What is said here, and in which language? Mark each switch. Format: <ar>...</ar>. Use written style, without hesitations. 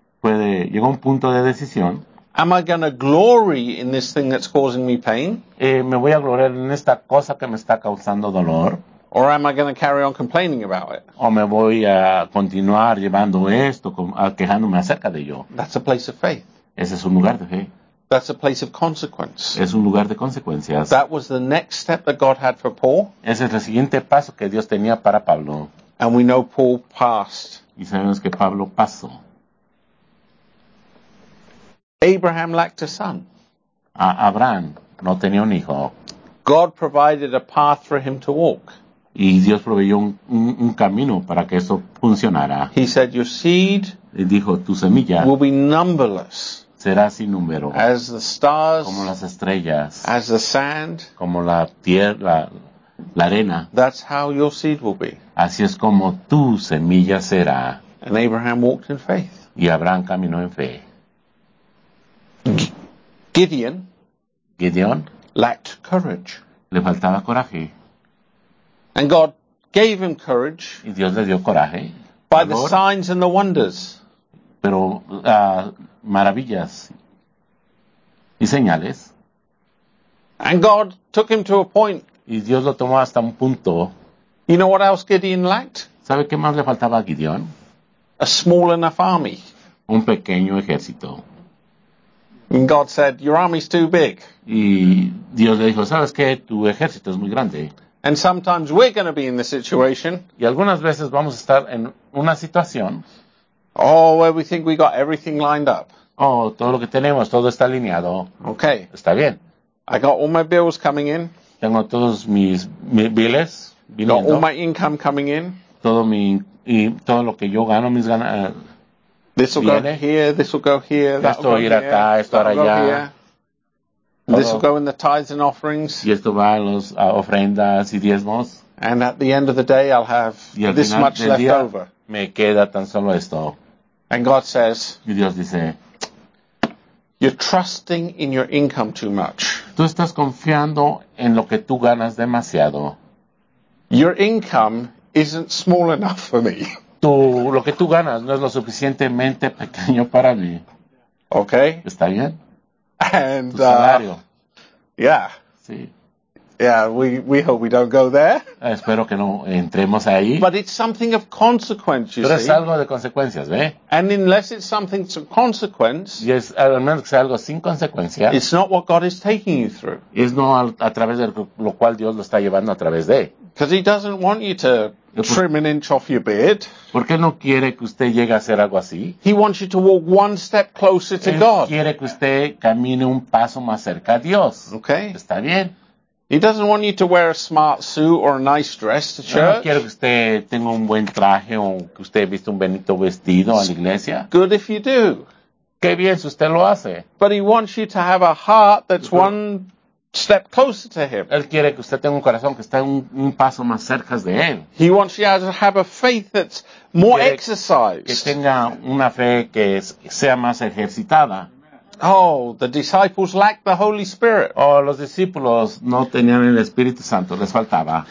<es>Llegó a un punto de decisión.</es> <en>Am I going to glory in this thing that's causing me pain?</en> <es>¿Me voy a gloriar en esta cosa que me está causando dolor?</es> <en>Or am I going to carry on complaining about it?</en> <es>¿O me voy a continuar llevando esto, quejándome acerca de ello?</es> <en>That's a place of faith.</en> <es>Ese es un lugar de fe.</es> <en>That's a place of consequence.</en> <es>Es un lugar de consecuencias.</es> <en>That was the next step that God had for Paul.</en> <es>Ese es el siguiente paso que Dios tenía para Pablo.</es> <en>And we know Paul passed.</en> <es>Y sabemos que Pablo pasó.</es> <en>Abraham lacked a son.</en> <es>Abraham no tenía un hijo.</es> <en>God provided a path for him to walk.</en> <es>Y Dios proveyó un camino para que eso funcionara.</es> <en>He said, "Your seed</en> <es>dijo, tu semilla</es> <en>will be numberless."</en> <es>Será sin número.</es> <en>As the stars,</en> <es>como las estrellas.</es> <en>As the sand,</en> <es>como la tierra, la arena.</es> <en>That's how your seed will be.</en> <es>Así es como tu semilla será.</es> <en>And Abraham walked in faith.</en> <es>Y Abraham caminó en fe.</es> <en>Gideon lacked courage.</en> <es>Le faltaba coraje.</es> <en>And God gave him courage.</en> <es>Y Dios le dio coraje.</es> <en>By the signs and the wonders.</en> <es>Pero maravillas y señales.</es> <en>And God took him to a point.</en> <es>Y Dios lo tomó hasta un punto.</es> <en>You know what else Gideon lacked?</en> <es>¿Sabe qué más le faltaba a Gideon?</es> <en>A small enough army.</en> <es>Un pequeño ejército.</es> <en>And God said, your army's too big.</en> <es>Y Dios le dijo, ¿sabes qué? Tu ejército es muy grande.</es> <en>And sometimes we're going to be in the situation.</en> <es>Y algunas veces vamos a estar en una situación.</es> <en>Oh, where we think we got everything lined up.</en> <es>Oh, todo lo que tenemos, todo está alineado.</es> <en>Okay.</en> <es>Está bien.</es> <en>I got all my bills coming in.</en> <es>Tengo todos mis bills viniendo.</es> <en>Got all my income coming in.</en> <es>Todo lo que yo gano, mis ganas.</es> <en>This will go here, this will go here,</en> <es>esto irá acá, esto irá allá.</es> <en>This will go in the tithes and offerings.</en> <es>Y esto va en los ofrendas y diezmos.</es> <en>And at the end of the day, I'll have this much left over.</en> <es>Me queda tan solo esto.</es> <en>And God says,</en> <es>y Dios dice,</es> <en>you're trusting in your income too much.</en> <es>Tú estás confiando en lo que tú ganas demasiado.</es> <en>Your income isn't small enough for me.</en> <es>Lo que tú ganas no es lo suficientemente pequeño para mí.</es> <en>Okay.</en> <es>¿Está bien?</es> <en>And,</en> <es>tu salario.</es> <en>Yeah.</en> <es>Sí.</es> <en>Yeah, we hope we don't go there.</en> <es>Espero que no entremos ahí.</es> <en>But it's something of consequence, you</en> <es>Pero</es> <en>see.</en> <es>Es algo de consecuencias, ¿ve?</es> <en>And unless it's something of consequence,</en> <es>yes, al menos que sea algo sin consecuencia,</es> <en>it's not what God is taking you through.</en> <es>Es no a través de lo cual Dios lo está llevando a través de.</es> <en>Because he doesn't want you to trim an inch off your beard.</en> <es>¿Por qué no quiere que usted llegue a hacer algo así?</es> <en>He wants you to walk one step closer to</en> <es>Él</es> <en>God.</en> <es>Quiere que usted camine un paso más cerca a Dios.</es> <en>Okay.</en> <es>Está bien.</es> <en>He doesn't want you to wear a smart suit or a nice dress to church.</en> <es>No, no quiero que usted tenga un buen traje o que usted viste un bonito vestido a la iglesia.</es> <en>Good if you do.</en> <es>Qué bien si usted lo hace.</es> <en>But he wants you to have a heart that's one step closer to him.</en> <es>Él quiere que usted tenga un corazón que esté un paso más cerca de él.</es> <en>He wants you to have a faith that's more quiere exercised.</en> <es>Que tenga una fe que sea más ejercitada.</es> <en>Oh, the disciples lacked the Holy Spirit.</en> <es>Oh, los discípulos no tenían el Espíritu Santo, les faltaba.</es>